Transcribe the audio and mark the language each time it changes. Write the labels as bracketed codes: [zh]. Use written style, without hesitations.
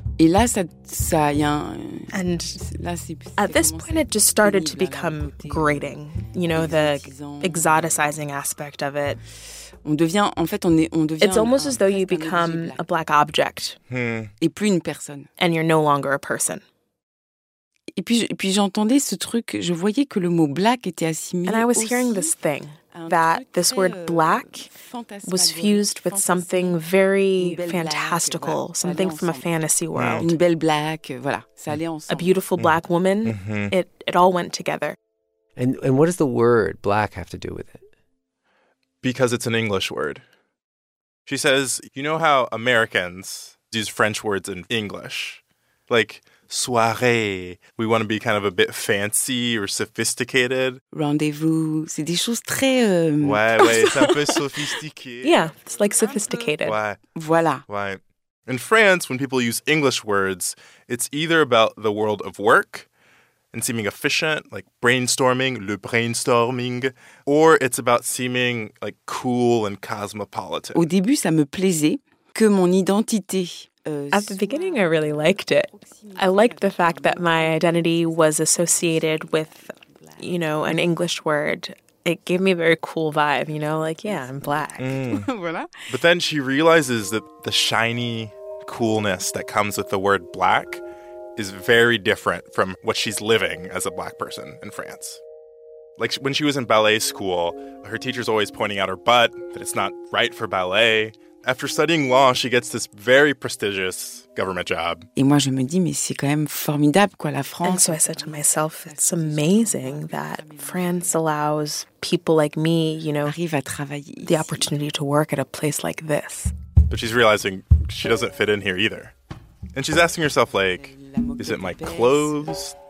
[fr] Et là, ça y a un... [en] And [fr] là, c'est [en] at this point, it just started to become grating. You know, the exoticizing aspect of it. [fr] On devient, en fait, on devient [en] it's almost as though you become a black object. Hmm. [fr] Et plus une personne. [en] And you're no longer a person. [fr] Et puis j'entendais ce truc, je voyais que le mot black était assimilé aussi. [en] And I was hearing this thing, that this word black was fused with something very fantastical, something from a fantasy world. [fr] Une belle black, voilà, ça allait ensemble. [en] A beautiful black woman, it all went together. And what does the word black have to do with it? Because it's an English word. She says, you know how Americans use French words in English? Like... soirée. We want to be kind of a bit fancy or sophisticated. [fr] Rendez-vous. C'est des choses très... Ouais, c'est un peu sophistiqué. [en] Yeah, it's like sophisticated. [fr] Ouais. Voilà. Ouais. [en] In France, when people use English words, it's either about the world of work, and seeming efficient, like brainstorming, le brainstorming, or it's about seeming like cool and cosmopolitan. [fr] Au début, ça me plaisait que mon identité. [en] At the beginning, I really liked it. I liked the fact that my identity was associated with, you know, an English word. It gave me a very cool vibe, you know, like, yeah, I'm black. [fr] Mm. Voilà. [en] But then she realizes that the shiny coolness that comes with the word black is very different from what she's living as a black person in France. Like, when she was in ballet school, her teacher's always pointing out her butt, that it's not right for ballet. After studying law, she gets this very prestigious government job. [fr] Et moi, je me dis, mais c'est quand même formidable, quoi, la France. [en] And so I said to myself, it's amazing that France allows people like me, you know, [fr] arrive à travailler [en] the opportunity to work at a place like this. But she's realizing she doesn't fit in here either. And she's asking herself, like, is it my clothes?